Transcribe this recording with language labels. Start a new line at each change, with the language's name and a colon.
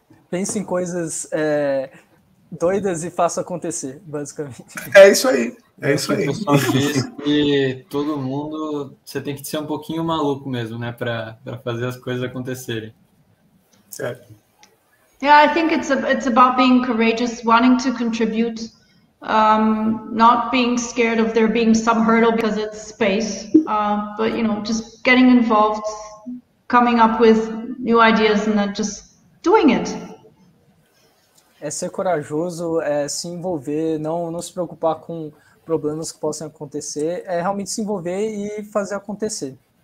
Portuguese: Pense em coisas doidas e faça acontecer, basicamente. É isso aí. É isso aí. Que todo mundo, você tem que ser um pouquinho maluco mesmo, né, para fazer as coisas acontecerem. Certo.
English: Yeah, I think it's about being courageous, wanting to contribute, not being scared of there being some hurdle because it's space, but you know, just getting involved, coming up with new ideas and then just doing it.
Portuguese: É ser corajoso, é se envolver, não se preocupar com problemas que possam acontecer, é realmente se envolver e fazer acontecer.